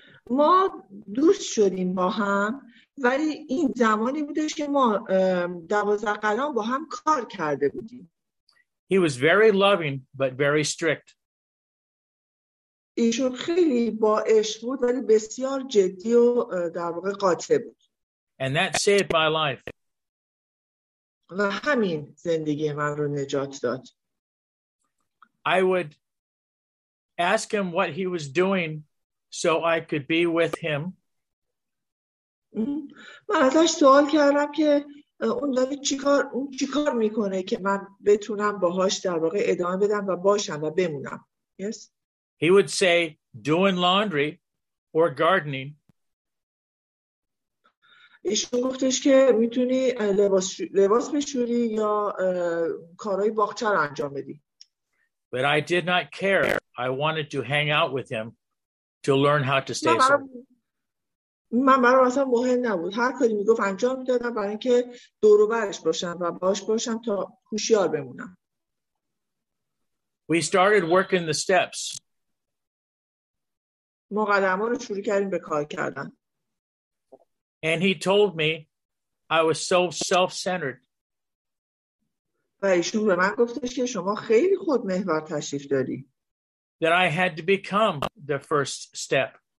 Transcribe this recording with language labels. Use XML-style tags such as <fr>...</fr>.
<fa>ما دوست شدیم با هم ولی این زمانی بودش که ما 12 قدم با هم کار کرده بودیم.</fa> <en>He was very loving but very strict.</en> <fa>ایشون خیلی با عشق بود ولی بسیار جدی و در واقع قاطع بود.</fa> <en>And that saved my life.</en> <fa>و همین زندگی من رو نجات داد.</fa> <en>I would ask him what he was doing so I could be with him.</en> <fa>من ازش سوال کردم که اون داره چیکار میکنه که من بتونم باهاش در واقع ادامه بدم و باشم و بمونم.</fa> <en>Yes. He would say doing laundry or gardening.</en> <fa>ایشون گفتش که میتونی لباس بشوری یا کارهای باغچه رو انجام بدی.</fa> <en>But I did not care. I wanted to hang out with him to learn how to stay sober.</en> <fa>من برای اصلا مهم نبود. هر کاری میگفت انجام میدادم برای اینکه دور و برش باشم و باش باشم تا هوشیار بمونم.</fa> <en>We started working the steps.</en> <fa>ما قدم‌ها رو شروع کردیم به کار کردن.</fa> <en>And he told me I was so self-centered.</en> <fa>و ایشون به من گفتش که شما خیلی خودمحور تشریف داری.</fa> <en>That I had to become the first step.</en>